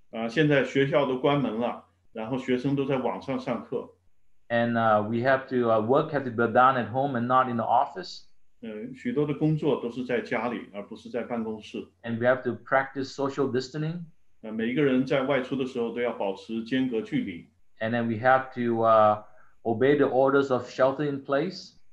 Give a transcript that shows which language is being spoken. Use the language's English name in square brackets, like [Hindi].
[Chinese] 现在学校都关门了，然后学生都在网上上课。 [English] And we have to work has to be done at home and not in the office. [Chinese] 许多的工作都是在家里，而不是在办公室。 [English] And we have to practice social distancing. [Chinese] 每一个人在外出的时候都要保持间隔距离。 [English] And then we have to obey the orders of shelter in place.